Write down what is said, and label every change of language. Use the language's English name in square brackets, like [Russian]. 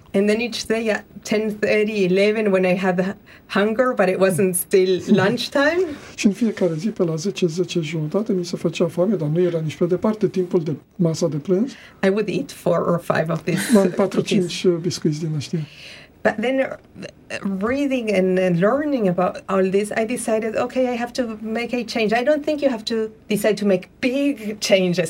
[English] And then each day at 10:30, 11, when I had hunger, but it wasn't still lunchtime. [Romanian] Și în fiecare zi, pe la 10:10 jumătate, mi se făcea foame, dar nu era nici pe departe timpul de masa de prânz. [English] I would eat 4 or 5 of these. [Romanian] Mai 4-5 biscuiți din ăștia. [English] But then reading and learning about all this, I decided, okay, I have to make a change. I don't think you have to decide to make big changes.